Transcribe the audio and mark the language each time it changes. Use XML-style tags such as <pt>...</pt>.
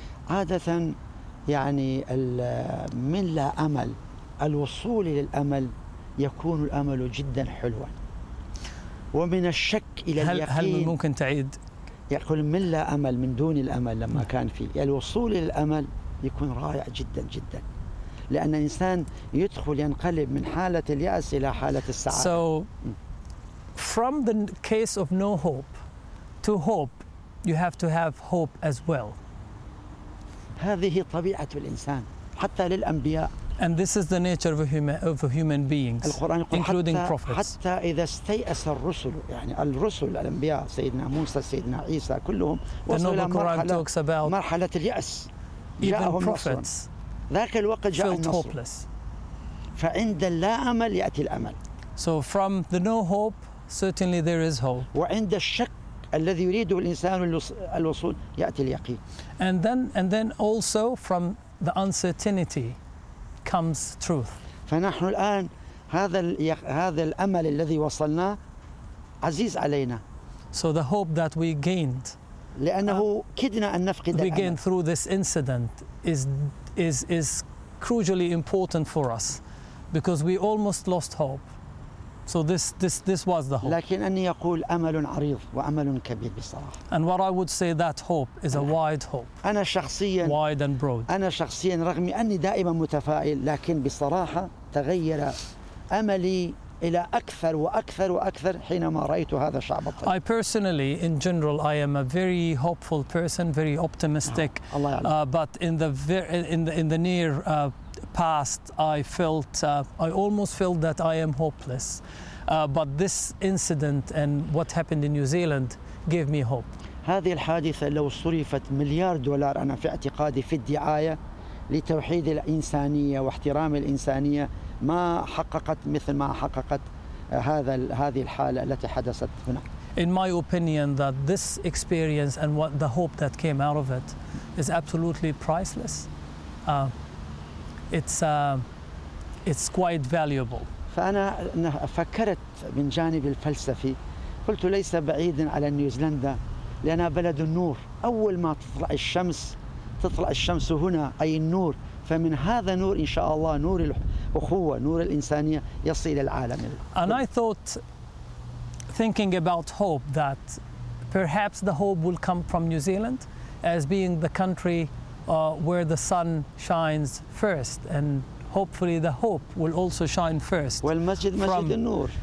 <ar>عادة يعني من لا أمل الوصول للأمل يكون الأمل جدا حلوا. ومن الشك إلى اليقين. هل ممكن تعيد؟ يقول من لا أمل من دون الأمل لما كان فيه الوصول للأمل يكون رائع جدا جدا. لأن الإنسان يدخل ينقلب من حالة اليأس إلى حالة السعادة.</ar> <en>So, from the case of no hope to hope, you have to have hope as well.</en> <ar>هذه طبيعة الإنسان حتى للأنبياء.</ar> <en>And this is the nature of human beings,</en> <ar>القرآن يقول</ar> <en>including prophets.</en> <ar>حتى إذا استيأس الرسل يعني الرسل الأنبياء سيدنا موسى سيدنا عيسى كلهم وصلوا مرحلة اليأس.</ar> <en>Even prophets.</en> <ar>ذاك الوقت جاء فعند اللا أمل يأتي الأمل.</ar> <en>So from the no hope, certainly there is hope.</en> <ar>وعند الشك الذي يريده الإنسان الوصول يأتي اليقين.</ar> <en>And then also from the uncertainty comes truth.</en> <ar>فنحن الآن هذا الأمل الذي وصلنا عزيز علينا.</ar> <en>So the hope that we gained.</en> <ar>لأنه كدنا أن نفقد.</ar> <en>We gained through this incident is crucially important for us because we almost lost hope. So this was the hope.</en> <ar>لكن أني أقول أمل عريض وأمل كبير بصراحة.</ar> <en>And what I would say that hope is a wide hope.</en> <ar>أنا شخصيا</ar> <en>wide and broad.</en> <ar>أنا شخصيا رغم أني دائما متفائل لكن بصراحة تغير أملي إلى أكثر وأكثر وأكثر حينما رأيت هذا الشعب الطيب.</ar> <en>I personally, in general, I am a very hopeful person, very optimistic.</en> <ar>الله يعلم.</ar> <en>But in the near past, I felt I almost felt that I am hopeless. But this incident and what happened in New Zealand gave me hope.</en> <ar>هذه الحادثة لو صرفت مليار دولار أنا في اعتقادي في الدعاية لتوحيد الإنسانية واحترام الإنسانية. ما حققت مثل ما حققت هذه الحالة التي حدثت هنا.</ar> <en>In my opinion, that this experience and what the hope that came out of it is absolutely priceless. It's quite valuable.</en> <ar>فأنا فكرت من جانب الفلسفي قلت ليس بعيدا على نيوزيلندا لأنها بلد النور أول ما تطلع الشمس هنا أي النور. فمن هذا نور إن شاء الله نور الأخوة نور الإنسانية يصل إلى العالم.</ar> <en>And I thought, thinking about hope, that perhaps the hope will come from New Zealand, as being the country where the sun shines first, and hopefully the hope will also shine first.</en> <ar>والمسجد مسجد النور.</ar>